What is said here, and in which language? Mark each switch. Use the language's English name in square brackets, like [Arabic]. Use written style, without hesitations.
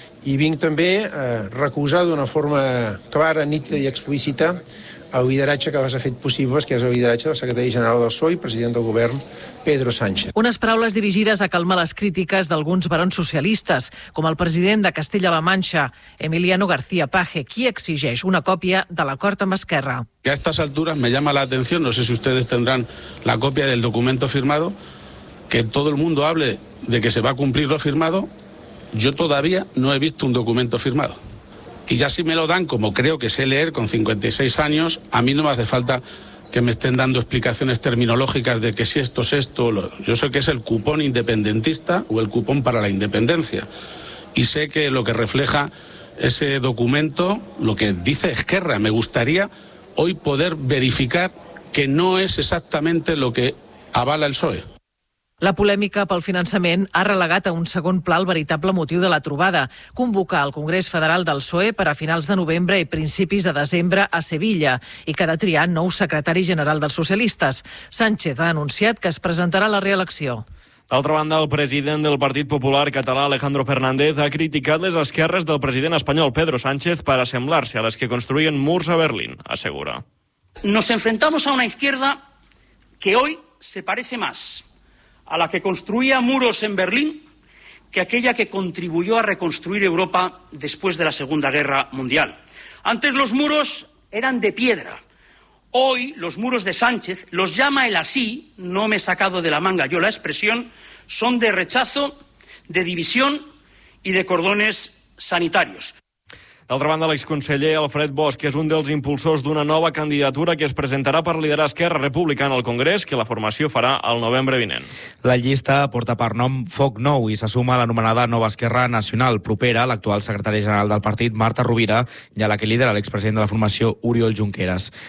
[Catalan] I vinc també a recusar d'una forma clara, nítida i explícita el lideratge que les ha fet possibles, que és el lideratge del secretari general del PSOE i president del govern, Pedro Sánchez. Unes paraules dirigides a calmar les crítiques d'alguns barons socialistes, com el president de Castella-La Mancha, Emiliano García Page, qui exigeix una còpia de l'acord amb Esquerra. [Spanish] A estas alturas me llama la atención, no sé si ustedes tendrán la copia del documento firmado, que todo el mundo hable de que se va a cumplir lo firmado. Yo todavía no he visto un documento firmado. Y ya si me lo dan, como creo que sé leer con 56 años, a mí no me hace falta que me estén dando explicaciones terminológicas de que si esto es esto. Yo sé que es el cupón independentista o el cupón para la independencia. Y sé que lo que refleja ese documento, lo que dice Esquerra, me gustaría hoy poder verificar que no es exactamente lo que avala el PSOE. [Catalan] La polèmica pel finançament ha relegat a un segon pla el veritable motiu de la trobada, convocar el Congrés Federal del PSOE per a finals de novembre i principis de desembre a Sevilla i que ha de triar nou secretari general dels socialistes. Sánchez ha anunciat que es presentarà la reelecció. D'altra banda, el president del Partit Popular català, Alejandro Fernández, ha criticat les esquerres del president espanyol, Pedro Sánchez, per assemblar-se a les que construïen murs a Berlín, assegura. [Spanish] Nos enfrentamos a una izquierda que hoy se parece más a la que construía muros en Berlín, que aquella que contribuyó a reconstruir Europa después de la Segunda Guerra Mundial. Antes los muros eran de piedra. Hoy los muros de Sánchez, los llama él así, no me he sacado de la manga yo la expresión, son de rechazo, de división y de cordones sanitarios. [Catalan] D'altra banda, l'exconseller Alfred Bosch és un dels impulsors d'una nova candidatura que es presentarà per liderar Esquerra Republicana al Congrés, que la formació farà el novembre vinent. La llista porta per nom Foc Nou i s'assuma a l'anomenada Nova Esquerra Nacional, propera a l'actual secretari general del partit, Marta Rovira, i a la que lidera l'expresident de la formació, Oriol Junqueras.